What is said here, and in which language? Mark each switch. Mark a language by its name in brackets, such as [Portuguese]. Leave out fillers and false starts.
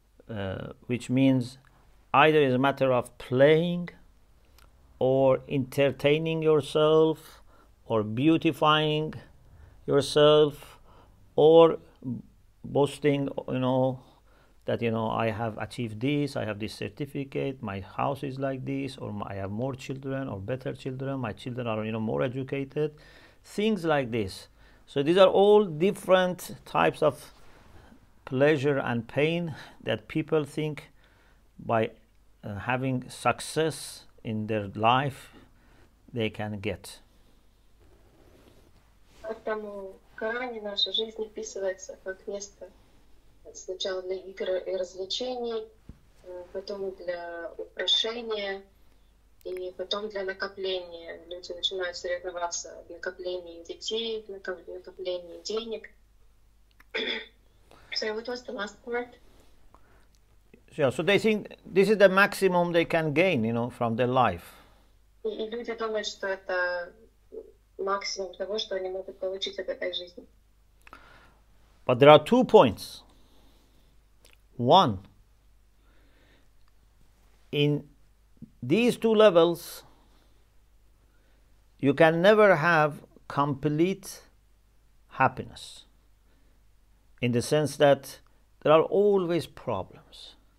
[Arabic] وَالْأَوْلَادِ, [English] which means either is a matter of playing or entertaining yourself or beautifying yourself or boasting, you know, that, you know, I have achieved this, I have this certificate, my house is like this, or I have more children or better children, my children are, you know, more educated, things like this. So these are all different types of pleasure and pain that people think by having success in their life, they can get. [Russian] Поэтому крайне наша жизнь описывается как место сначала для игр и развлечений, потом для украшения и потом для накопления. Люди начинают соревноваться в накоплении детей, в накоплении денег. [English] So what was the last part? Yeah, so they think this is the maximum they can gain, you know, from their life. [Russian] И люди думают, что это максимум того, что они могут получить от этой жизни. [English] But there are two points. One, in these two levels, you can never have complete happiness. In the sense that there are always problems.